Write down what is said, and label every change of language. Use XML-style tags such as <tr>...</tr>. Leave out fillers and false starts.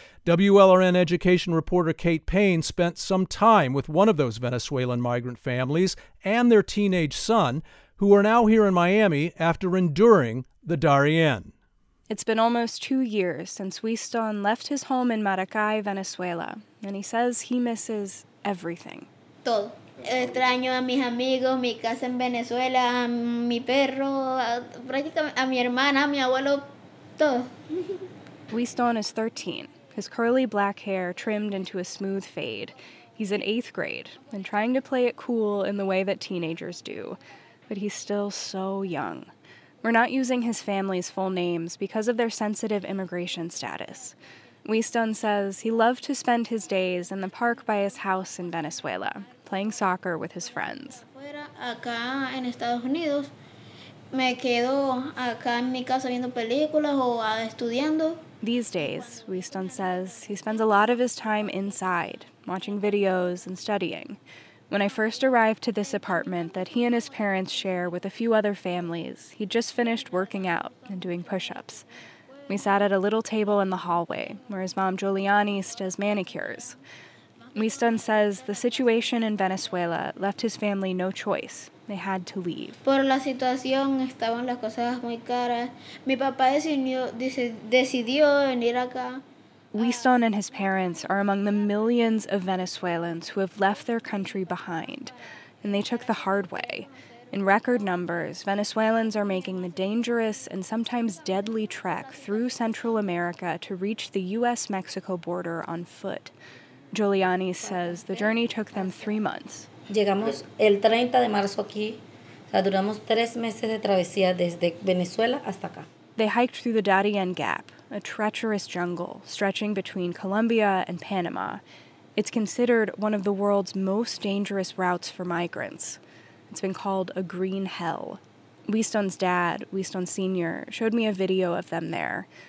<en>WLRN education reporter Kate Payne spent some time with one of those Venezuelan migrant families and their teenage son, who are now here in Miami after enduring the Darien. It's been almost 2 years since Winston left his home in Maracay, Venezuela, and he says he misses everything.</en> <es>Todo. Extraño a mis amigos, mi casa en Venezuela, mi perro, prácticamente a mi hermana, a mi abuelo, todo.</es> <en>Winston is 13. His curly black hair trimmed into a smooth fade. He's in eighth grade and trying to play it cool in the way that teenagers do. But he's still so young. We're not using his family's full names because of their sensitive immigration status. Winston says he loved to spend his days in the park by his house in Venezuela, playing soccer with his friends.</en> <es>Acá en Estados Unidos, me quedo acá en mi casa viendo películas o estudiando.</es> <en>These days, Winston says, he spends a lot of his time inside, watching videos and studying. When I first arrived to this apartment that he and his parents share with a few other families, he'd just finished working out and doing push-ups. We sat at a little table in the hallway, where his mom Giuliani does manicures. Winston says the situation in Venezuela left his family no choice. They had to leave.</en> <es>Por la situación estaban las cosas muy caras. Mi papá decidió venir acá.</es> <en>Winston and his parents are among the millions of Venezuelans who have left their country behind, and they took the hard way. In record numbers, Venezuelans are making the dangerous and sometimes deadly trek through Central America to reach the U.S.-Mexico border on foot. Giuliani says the journey took them 3 months.</en> <es>Llegamos el 30 de marzo aquí. O sea, duramos 3 meses de travesía desde Venezuela hasta acá.</es> <en>They hiked through the Darien Gap, a treacherous jungle stretching between Colombia and Panama. It's considered one of the world's most dangerous routes for migrants. It's been called a green hell. Winston's dad, Winston Sr., showed me a video of them there.</en>